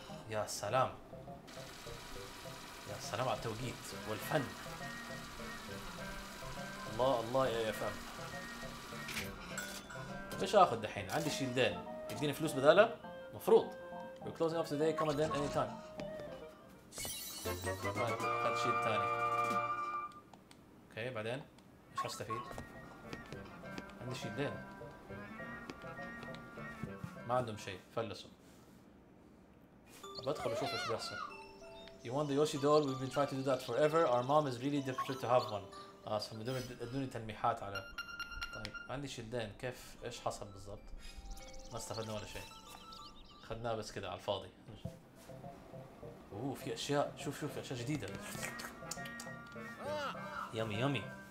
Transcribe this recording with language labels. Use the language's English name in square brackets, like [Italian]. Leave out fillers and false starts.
[Arabic] يا سلام. يا سلام على التوقيت والفن. الله الله يا فهم. ايش اخذ الحين؟ عندي شيلدين يديني فلوس بداله؟ مفروض. [English] We're closing off today, come again anytime. [Arabic] خذ شيلد ثاني. اوكي بعدين ايش هستفيد؟ عندي شيلدين. ما عندهم شيء فلسوا. بدخل اشوف ايش بيحصل. [English] You want the Yoshi doll? We've been trying to do that forever. Our mom is really desperate to have one. [Arabic] اصلا بدوني تلميحات على. طيب عندي شيلدين كيف ايش حصل بالضبط؟ ما استفدنا ولا شيء. اخذناه بس كذا على الفاضي. اوه في اشياء. شوف شوف اشياء جديدة. يامي يامي.